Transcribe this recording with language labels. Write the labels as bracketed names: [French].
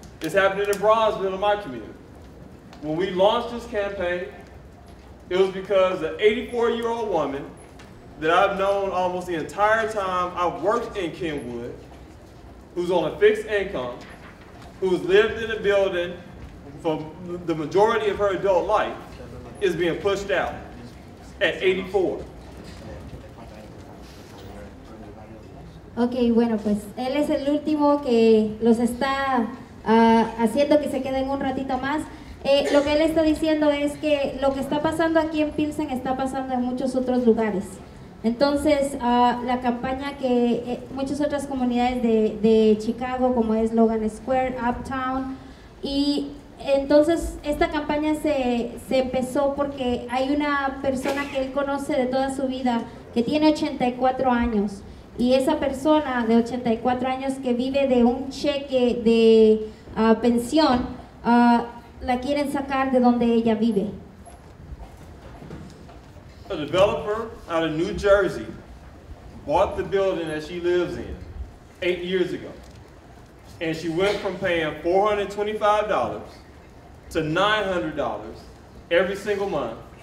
[English] It's happening in Bronzeville in my community. When we launched this campaign, it was because an 84-year-old woman that I've known almost the entire time I've worked in Kenwood, who's on a fixed income, who's lived in a building for the majority of her adult life, is being pushed out at 84. [Spanish] Ok, bueno, pues él es el último que los está haciendo que se queden un ratito más. Lo que él está diciendo es que lo que está pasando aquí en Pilsen está pasando en muchos otros lugares. Entonces, la campaña que muchas otras comunidades de Chicago, como es Logan Square, Uptown, y entonces esta campaña se empezó porque hay una persona que él conoce de toda su vida, que tiene 84 años, y esa persona de 84 años que vive de un cheque de pensión, la quieren sacar de donde ella vive. [English] A developer out of New Jersey bought the building that she lives in 8 years ago. And she went from paying $425 to $900 every single month.